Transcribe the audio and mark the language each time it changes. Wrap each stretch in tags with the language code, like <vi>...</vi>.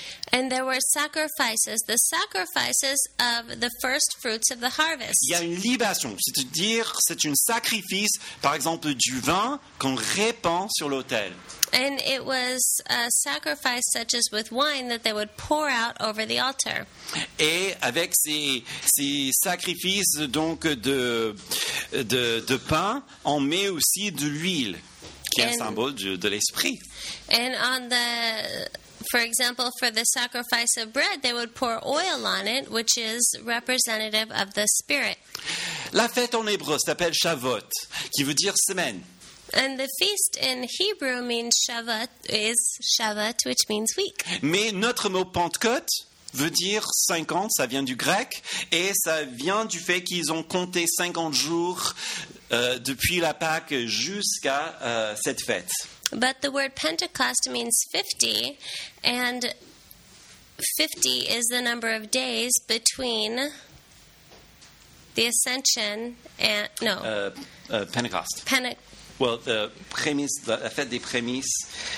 <en>And there were sacrifices, the sacrifices of the first fruits of the harvest.</en> <fr>Il y a une libation, c'est-à-dire c'est un sacrifice, par exemple, du vin qu'on répand sur l'autel.</fr> <en>And it was a sacrifice such as with wine that they would pour out over the altar.</en> <fr>Et avec ces sacrifices donc de pain, on met aussi de l'huile, qui est un symbole de l'esprit.</fr> <en>And on the For example, for the sacrifice of bread, they would pour oil on it, which is representative of the Spirit.</en> <fr>La fête en hébreu s'appelle Shavuot, qui veut dire semaine.</fr> <en>And the feast in Hebrew means Shavuot, is Shavuot, which means week.</en> <fr>Mais notre mot Pentecôte veut dire 50, ça vient du grec, et ça vient du fait qu'ils ont compté 50 jours depuis la Pâque jusqu'à cette fête.</fr> <en>But the word Pentecost means 50, and 50 is the number of days between the Ascension and Pentecost. The</en> <fr>prémices, la fête des prémices.</fr>